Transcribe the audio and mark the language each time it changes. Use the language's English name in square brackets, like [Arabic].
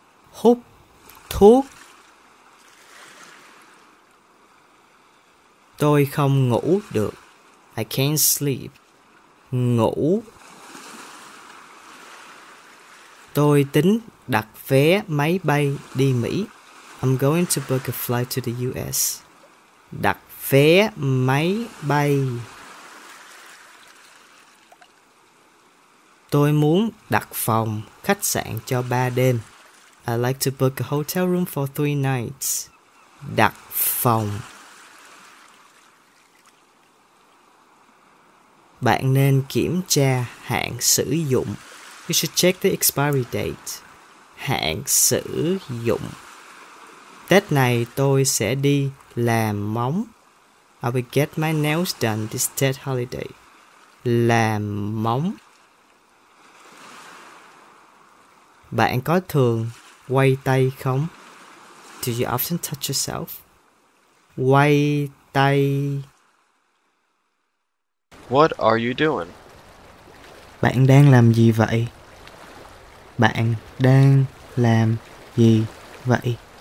[Vietnamese] Hút thuốc. Tôi không ngủ được. [English] I can't sleep. [Vietnamese] Ngủ. Tôi tính đặt vé máy bay đi Mỹ. [English] I'm going to book a flight to the US. [Vietnamese] Đặt vé máy bay. Tôi muốn đặt phòng khách sạn cho 3 đêm. [English] I'd like to book a hotel room for 3 nights. [Vietnamese] Đặt phòng. Bạn nên kiểm tra hạn sử dụng. [English] You should check the expiry date. [Vietnamese] Hạn sử dụng. Tết này tôi sẽ đi làm móng. [English] I will get my nails done this Tết holiday. [Vietnamese] Làm móng. Bạn có thường quay tay không? [English] Do you often touch yourself? [Vietnamese] Quay tay. [English] What are you doing? [Vietnamese] Bạn đang làm gì vậy? Bạn đang làm gì vậy?